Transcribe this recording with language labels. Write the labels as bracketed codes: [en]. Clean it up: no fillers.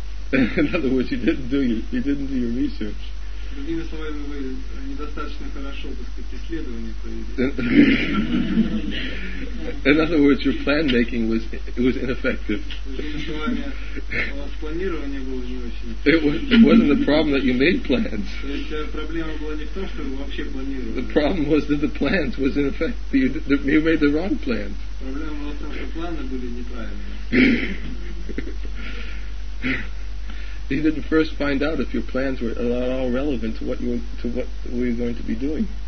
[en] In other words, you didn't do your research. [ru] Другими словами, вы недостаточно хорошо, так сказать, исследование провели. [en] In other words, your plan making was ineffective. [ru] Другими словами, у вас планирование было не очень. [en] It wasn't the problem that you made plans. [ru] Проблема была не в том, что вы вообще планировали. [en] The problem was that the plans was ineffective. You made the wrong plans. [ru] Проблема была в том, что планы были неправильные. [en] You didn't first find out if your plans were at all relevant to what you were, to what we were going to be doing.